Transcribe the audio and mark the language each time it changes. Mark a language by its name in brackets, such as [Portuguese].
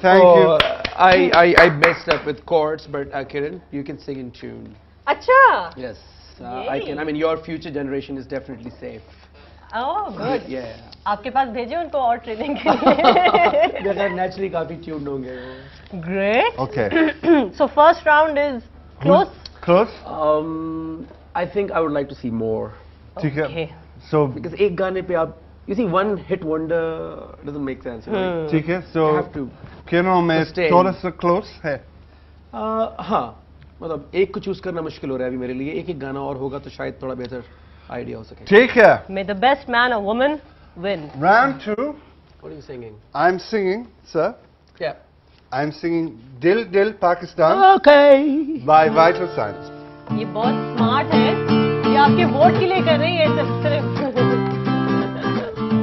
[English] I messed up with chords, but Kiran, you can sing in tune. [Hindi] Acha. [English] Yes, I can. I mean, your future generation is definitely safe. [Hindi] आपके पास भेजे उनको और training के लिए. Naturally काफी tuned होंगे. [English] Great. Okay. So first round is close. I think I would like to see more. Okay. So because [Hindi] एक गाने पे आप, [English] you see, one hit wonder doesn't make sense. [Hindi] ठीक है. So क्यों ना मैं थोड़ा सा close है. हाँ, मतलब एक को चूज करना मुश्किल हो रहा है अभी मेरे लिए. एक एक गाना और होगा तो शायद थोड़ा बेहतर आइडिया हो सके. ठीक है. [English] May the best man or woman win. Round two. What are you singing? I'm singing, sir. Yeah. I'm singing Dil Dil Pakistan. Okay. By Vital Signs. [Hindi] ये बहुत smart है, ये आपके vote के लिए कर रही है सब सिर्फ.